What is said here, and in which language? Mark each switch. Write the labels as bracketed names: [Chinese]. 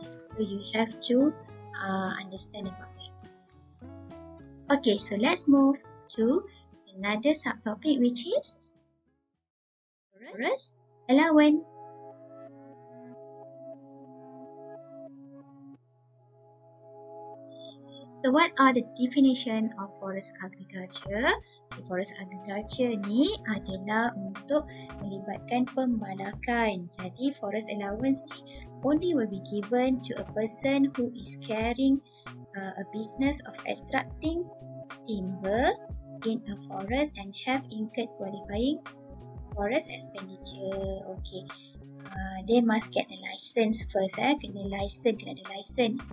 [English] So you have to understand about that. Okay, so let's move to another subtopic, which is forest allowance. So what are the definition of forest agriculture? The forest agriculture [Malay] ni adalah untuk melibatkan pembalakan. [English] Jadi forest allowance ni only will be given to a person who is carrying a business of extracting timber in a forest and have incurred qualifying forest expenditure. Okay, they must get a license first. [Malay] Kena ada license.